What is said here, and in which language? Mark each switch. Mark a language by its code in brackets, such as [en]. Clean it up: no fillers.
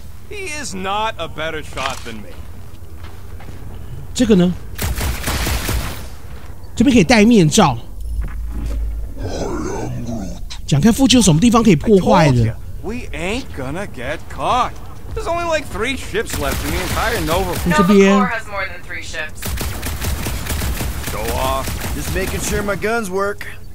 [en] He is not a better shot than me. [zh] 这个呢？这边可以戴面罩。讲看附近有什么地方可以破坏的。 [en] We ain't gonna get caught. There's only like three ships left in the entire Nova fleet. Nova Corps has more than three ships. Go off. Just making sure my guns work.